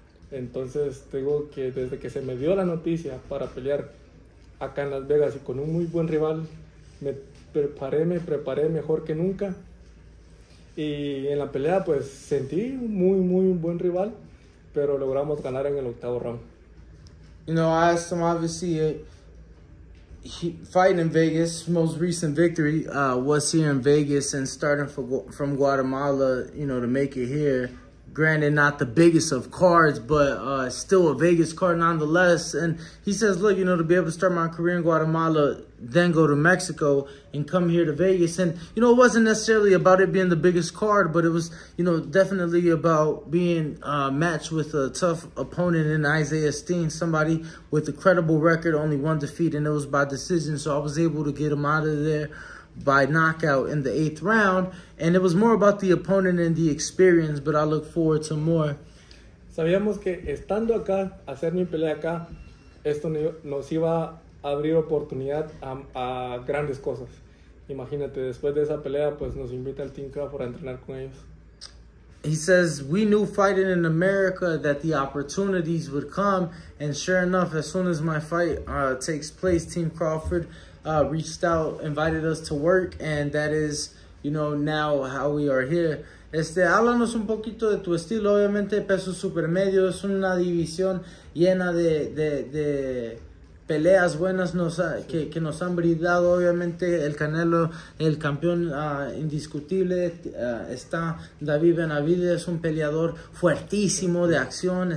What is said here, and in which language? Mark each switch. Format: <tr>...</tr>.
<es>Entonces, digo que desde que se me dio la noticia para pelear acá en Las Vegas y con un muy buen rival, me preparé mejor que nunca. Y en la pelea, pues, sentí muy, muy un buen rival, pero logramos ganar en el octavo round.</es> <en>You know, I asked him, obviously, fighting in Vegas, most recent victory was here in Vegas, and starting from Guatemala, you know, to make it here. Granted, not the biggest of cards, but still a Vegas card nonetheless. And he says, look, you know, to be able to start my career in Guatemala, then go to Mexico and come here to Vegas. And, you know, it wasn't necessarily about it being the biggest card, but it was, you know, definitely about being matched with a tough opponent in Isaiah Steen, somebody with a credible record, only one defeat, and it was by decision. So I was able to get him out of there by knockout in the 8th round, and it was more about the opponent and the experience, but I look forward to more.</en> <es>Sabíamos que estando acá, hacer mi pelea acá, esto nos iba a abrir oportunidad a grandes cosas. Imagínate, después de esa pelea, pues nos invita al Team Cuba para entrenar con ellos.</es> <en>He says, we knew fighting in America that the opportunities would come. And sure enough, as soon as my fight takes place, Team Crawford reached out, invited us to work. And that is, you know, now how we are here.</en> <es>Háblanos un poquito de tu estilo. Obviamente, peso supermedio es una división llena de peleas buenas que nos han brindado. Obviamente, el Canelo, el campeón indiscutible, está David Benavidez, un peleador fuertísimo de acción.</es>